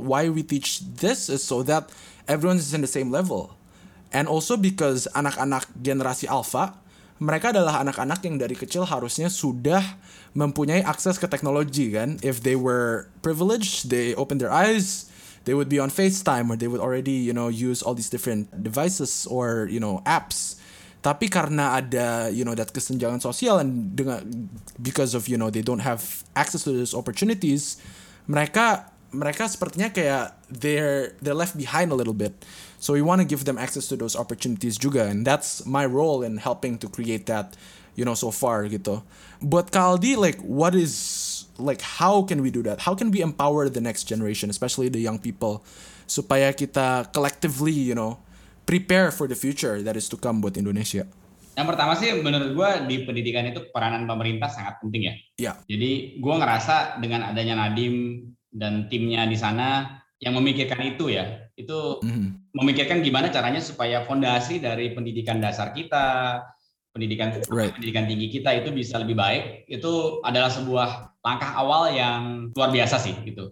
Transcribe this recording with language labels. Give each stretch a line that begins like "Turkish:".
English: Why we teach this is so that everyone is in the same level. And also because
Indonesian: anak-anak generasi alpha, mereka adalah anak-anak yang dari kecil harusnya sudah mempunyai akses ke teknologi, kan?
English: If they were privileged, they opened their eyes, they would be on FaceTime, or they would already, you know, use all these different devices or, you know, apps.
Indonesian: Tapi karena ada,
English: you know, that
Indonesian: kesenjangan sosial,
English: and
Indonesian: dengan,
English: because of, you know, they don't have access to those opportunities,
Indonesian: mereka sepertinya kayak
English: they're left behind a little bit. So we want to give them access to those opportunities
Indonesian: juga,
English: and that's my role in helping to create that, you know, so far,
Indonesian: gitu.
English: But Kaldi, like, what is, like, how can we do that? How can we empower the next generation, especially the young people,
Indonesian: supaya kita
English: collectively, you know, prepare for the future that is to come
Indonesian: buat Indonesia? Yang pertama sih, menurut gue, di pendidikan itu peranan pemerintah sangat penting ya.
English: Yeah.
Indonesian: Jadi, gue ngerasa dengan adanya Nadiem dan timnya di sana yang memikirkan itu ya, itu memikirkan gimana caranya supaya fondasi dari pendidikan dasar kita, pendidikan
English: right.
Indonesian: pendidikan tinggi kita itu bisa lebih baik, itu adalah sebuah langkah awal yang luar biasa sih, gitu.